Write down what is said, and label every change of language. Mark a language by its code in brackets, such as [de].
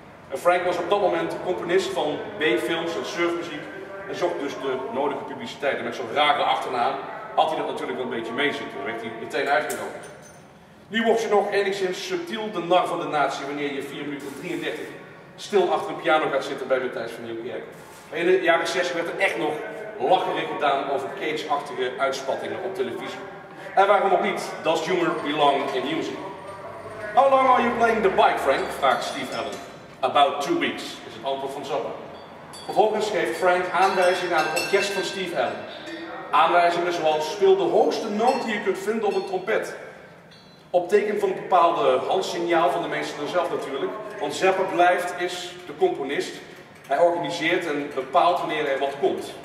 [nl] En Frank was op dat moment componist van B-films en surfmuziek en zocht dus de nodige publiciteit. En met zo'n rare achternaam had hij dat natuurlijk wel een beetje mee zitten, werd hij meteen uitgenodigd. Nu wordt je nog enigszins subtiel de nar van de natie wanneer je 4 minuten 33 stil achter een piano gaat zitten bij Matthijs van Nieuwkerk. In de jaren 60 werd er echt nog lacherig gedaan over Cage-achtige uitspattingen op televisie. En waarom ook niet? [en] Does humor belong in music? How long are you playing the bike, Frank? [nl] Vraagt Steve Allen. [en] About 2 weeks, [nl] is het antwoord van Zappa. Vervolgens geeft Frank aanwijzingen aan het orkest van Steve Allen. Aanwijzingen zoals speel de hoogste noot die je kunt vinden op een trompet. Op teken van een bepaalde handsignaal van de meester zelf natuurlijk. Want Zappa blijft, is de componist. Hij organiseert en bepaalt wanneer er wat komt.